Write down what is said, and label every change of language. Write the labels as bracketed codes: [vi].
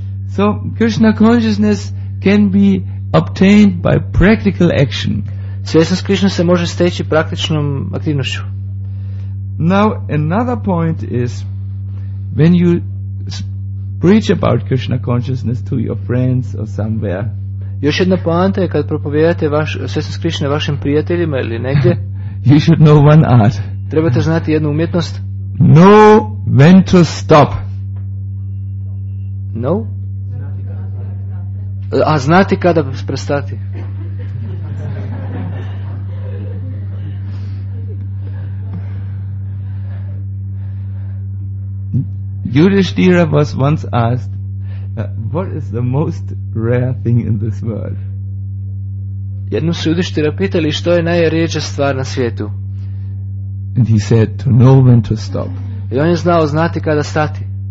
[en] So Krishna consciousness can be obtained by practical action. [hr] Svjesnost Krishna se može steći praktičnom aktivnošću. [en] Now another point is when you preach about Krishna consciousness to your friends or somewhere. [hr] Još jedna poanta je kad propovijate svjesnost Krishna vašim prijateljima ili negdje. [en] You should know one art. [hr] Trebate znati jednu umjetnost. [en] Know when to stop. No? [hr] A znati kada prestati. [en] Yudhishthira was once asked, what is the most rare thing in this world? [hr] Jednu su Yudhishthira pitali što je najrijeđa stvar na svijetu. [en] And he said, to know when to stop. [hr] I on je znao znati kada stati.